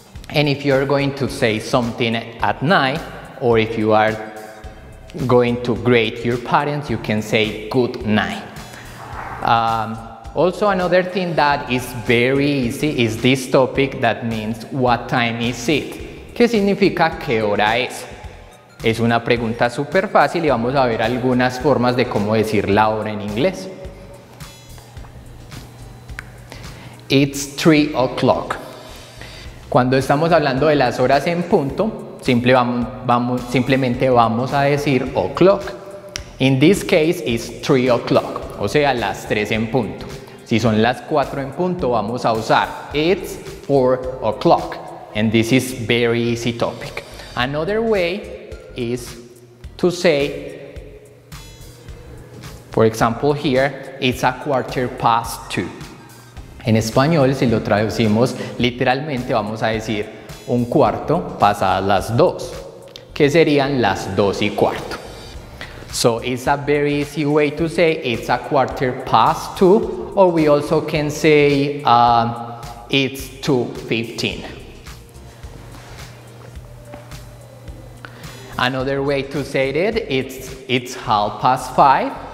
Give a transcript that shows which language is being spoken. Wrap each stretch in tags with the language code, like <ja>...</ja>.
<en>And if you are going to say something at night, or if you are going to greet your parents, you can say good night. Also, another thing that is very easy is this topic that means what time is it?</en> <es>¿Qué significa qué hora es? Es una pregunta súper fácil y vamos a ver algunas formas de cómo decir la hora en inglés.</es> <en>It's 3 o'clock.</en> <es>Cuando estamos hablando de las horas en punto, simplemente vamos a decir o'clock.</es> <en>In this case, it's 3 o'clock,</en> <es>o sea, las 3 en punto. Si son las 4 en punto, vamos a usar</es> <en>it's 4 o'clock. And this is very easy topic. Another way is to say, for example here, it's 2:15.</en> <es>En español, si lo traducimos literalmente, vamos a decir 2:15, que serían las 2:15.</es> <en>So it's a very easy way to say it's 2:15, or we also can say it's 2:15. Another way to say it, it's 5:30.</en>